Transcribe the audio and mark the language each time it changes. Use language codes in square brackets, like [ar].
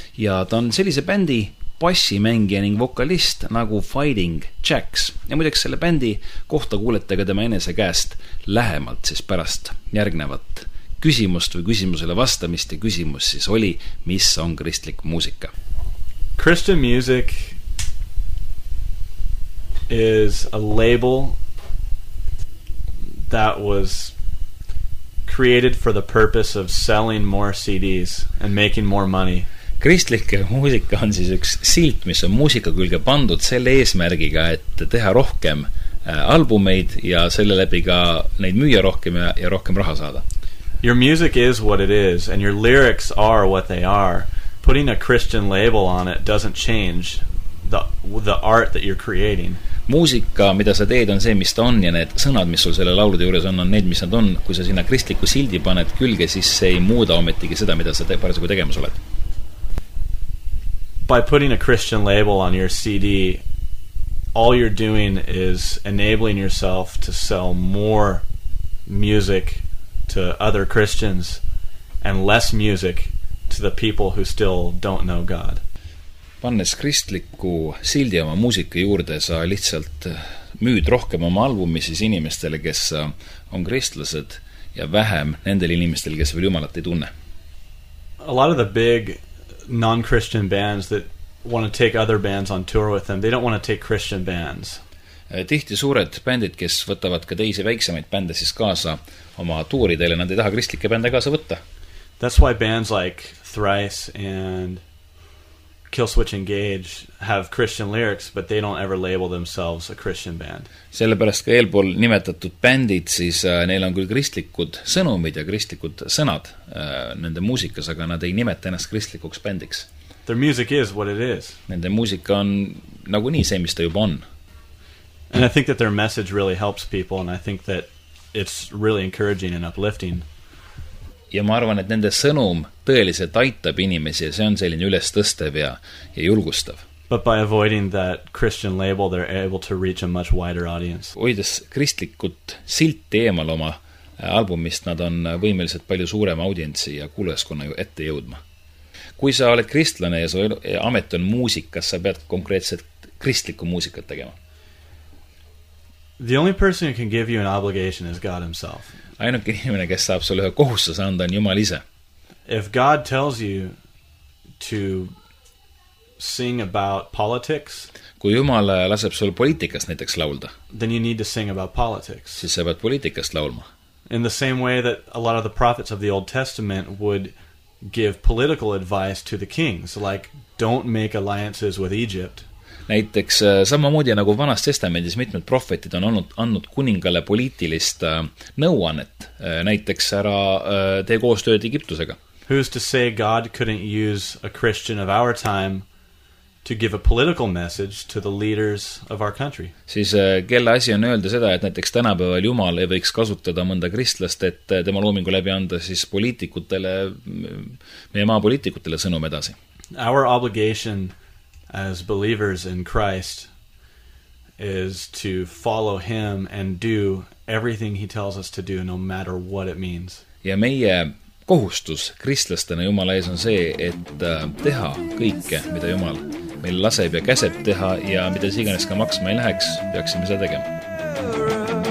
[et] Ja ta on sellise bändi bassi mängija ning vokalist nagu Fighting Jacks. Ja muideks selle bändi kohta kuulete ka tema enese käest lähemalt siis pärast järgnevat küsimust või küsimusele vastamist ja küsimus siis oli, mis on kristlik muusika. [en] Christian music is a label that was created for the purpose of selling more CDs and making more money. [et] Kristlik muusika on siis üks silt, mis on muusika külge pandud selle eesmärgiga, et teha rohkem albumeid ja selle läbi ka neid müüa rohkem ja rohkem raha saada. [en] Your music is what it is and your lyrics are what they are. Putting a Christian label on it doesn't change the art that you're creating. [et] Muusika, mida sa teed, on see, mis ta on ja need sõnad, mis sul selle laulude juures on need, mis nad on. Kui sa sinna kristliku sildi paned külge, siis see ei muuda ometigi seda, mida sa parasugu tegemas oled. [en] By putting a Christian label on your CD, all you're doing is enabling yourself to sell more music to other Christians and less music to the people who still don't know God. [et] Pannes kristliku sildi oma muusika juurde, sa lihtsalt müüd rohkem oma albumi siis inimestele, kes on kristlased ja vähem nendel inimestel, kes veel Jumalat ei tunne. [en] A lot of the big non-Christian bands that want to take other bands on tour with them. They don't want to take Christian bands. [et] Tihti suured bändid, kes võtavad ka teisi väiksemaid bände siis kaasa oma tuuridele, nad ei taha kristlike bände kaasa võtta. [en] That's why bands like Thrice and Killswitch Engage have Christian lyrics, but they don't ever label themselves a Christian band. [et] Sellepärast ka eelpool nimetatud bändid, siis neil on küll kristlikud sõnumid ja kristlikud sõnad nende muusikas, aga nad ei nimeta ennast kristlikuks bändiks. [en] Their music is what it is. [et] Nende muusika on nagu nii see, mis ta juba on. [en] And I think that their message really helps people, and I think that it's really encouraging and uplifting. [et] Ja ma arvan, et nende sõnum tõeliselt aitab inimesi ja see on selline üles tõstev ja julgustav. [en] But by avoiding that Christian label, they're able to reach a much wider audience. [et] Hoides kristlikud silti eemal oma albumist, nad on võimeliselt palju suurema audientsi ja kuulajaskonna ju ette jõudma. Kui sa oled kristlane ja su amet on muusikas, sa pead konkreetselt kristliku muusikat tegema. [en] The only person who can give you an obligation is God himself. [et] Ainuke inimene, kes saab sulle ühe kohustuse anda, on Jumal ise. [en] If God tells you to sing about politics, [et] kui Jumal laseb sul poliitikast näiteks laulda, [en] then you need to sing about politics. [et] Siis sa pead poliitikast laulma. [en] In the same way that a lot of the prophets of the Old Testament would give political advice to the kings, like, don't make alliances with Egypt. [et] Näiteks samamoodi nagu Vanas Testamentis mitmed prohvetid on andnud kuningale poliitilist nõuannet, näiteks ära tee koostööd Egiptusega. [en] Who's to say God couldn't use a Christian of our time to give a political message to the leaders of our country? [et] Siis kelle asi on öelda seda, et näiteks tänapäeval Jumal ei võiks kasutada mõnda kristlast, et tema loomingu läbi anda siis poliitikutele, meie maa poliitikutele sõnum edasi. [en] Our obligation as believers in Christ is to follow him and do everything he tells us to do, no matter what it means. [et] Ja meie kohustus kristlastena Jumala ees on see, et teha kõike, mida Jumal meil laseb ja käseb teha ja mida siiganes ka maksma ei läheks, peaksime seda tegema.